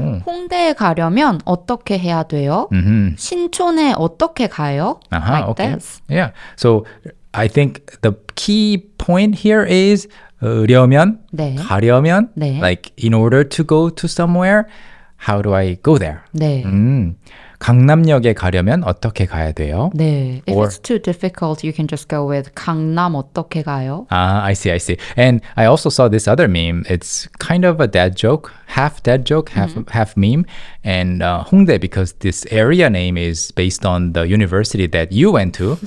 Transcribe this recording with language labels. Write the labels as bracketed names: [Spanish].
[Korean] 홍대에 가려면 어떻게 해야 돼요? Mm-hmm. 신촌에 어떻게 가요? Uh-huh, [English] like okay. this. Yeah. So I think the key point here is 려면, [Korean] 네. 가려면, 네. [English] like in order to go to somewhere, how do I go there? [Korean] 네. 강남역에 가려면 어떻게 가야 돼요? 네. [English] If Or, it's too difficult, you can just go with [Korean] 강남 어떻게 가요? [English] I see. And I also saw this other meme. It's kind of a dad joke, half meme. And 홍대, because this area name is based on the university that you went to.